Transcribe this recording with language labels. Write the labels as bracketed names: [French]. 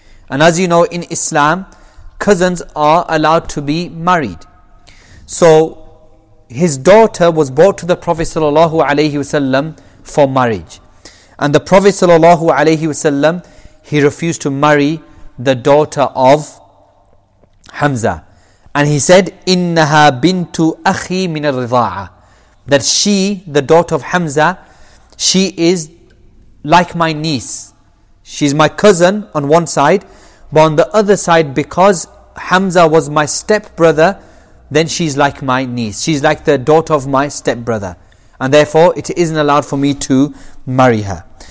[English] And as you know, in Islam, cousins are allowed to be married. So his daughter was brought to the Prophet sallallahu alayhi wasallam for marriage. And the Prophet sallallahu alayhi wasallam, he refused to marry the daughter of Hamza. And he said, [Arabic] إِنَّهَا بِنْتُ أَخِي مِنَ الرِّضَاعَةِ. [English] That she, the daughter of Hamza, she is like my niece. She's my cousin on one side, but on the other side, because Hamza was my stepbrother, then she's like my niece. She's like the daughter of my stepbrother. And therefore, it isn't allowed for me to marry her.